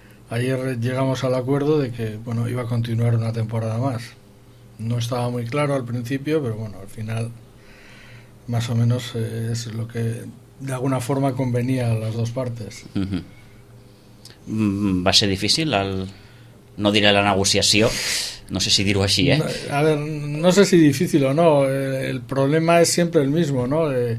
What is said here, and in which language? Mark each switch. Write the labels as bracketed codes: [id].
[es] Ayer llegamos al acuerdo de que, bueno, iba a continuar una temporada más. No estaba muy claro al principio, pero bueno, al final más o menos es lo que de alguna forma convenía a las dos partes. [ca] Va ser difícil, no diré la negociació, no sé si dir-ho així, eh? [es] A ver, no sé si difícil o no, el problema es siempre el mismo, ¿no?